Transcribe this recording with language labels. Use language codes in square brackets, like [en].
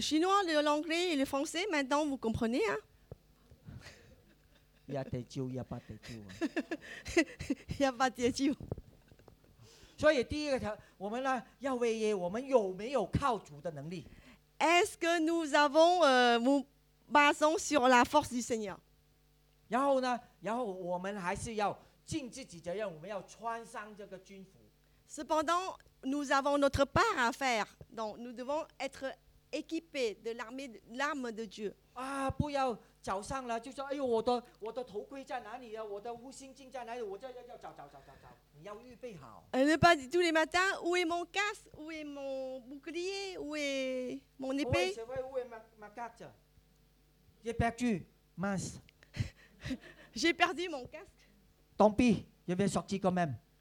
[fr] chinois, l'anglais et le français, maintenant vous comprenez, hein? Il y a des dieux, il y a pas des dieux. Il y a pas des dieux. [zh] 所以第一个条，我们呢要问耶，我们有没有靠主的能力 [fr] ？Est-ce que nous avons nous basons sur la force du Seigneur？ [zh] 然后呢，然后我们还是要尽自己责任，我们要穿上这个军服。 [fr] Cependant, nous avons notre part à faire, donc nous devons être équipés de l'arme de Dieu. [zh] 啊，不要。早上了就说：“哎呦，我的头盔在哪里呀、啊？我的护心镜在哪里？我这要找，你要预备好。” [fr] Ne pas dire tous les matins où est mon casque, où est mon bouclier, où est mon épée. Où est ma casque? J'ai perdu, mince. J'ai perdu mon casque. Tant pis, je vais sortir quand même.